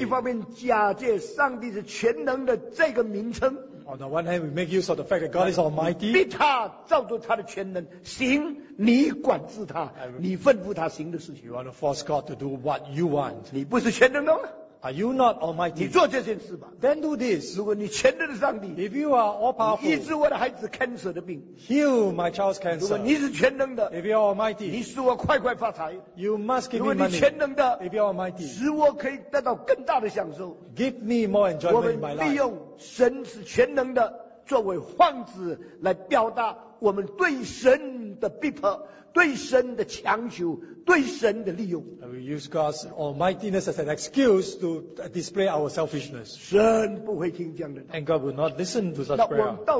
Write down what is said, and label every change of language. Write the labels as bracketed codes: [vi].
[zh] 一方面假借上帝是全能的这个名称。 [en] On the one hand, we make use of the fact that God is Almighty. [zh] 逼他照着他的全能行，你管制他，你吩咐他行的事情。 [en] You want to force God to do what you want. [zh] 你不是全能的吗? [en] Are you not Almighty? [zh] 你做这件事吧, [en] then do this. [zh] 如果你全能的上帝, [en] if you are all powerful, [zh] 你医治我的孩子 cancer 的病, [en] heal my child's cancer. [zh] 如果你是全能的, [en] if you are Almighty, [zh] 你使我快快发财, [en] you must give me money. [zh] 如果你全能的, [en] if you are Almighty, [zh] 使我可以得到更大的享受, [en] give me more enjoyment in my life. [zh] 我们利用神是全能的, 作为幌子, 来表达我们对神的逼迫, 对神的强求, [en] and we use God's almightiness as an excuse to display our selfishness. And God will not listen to such prayer.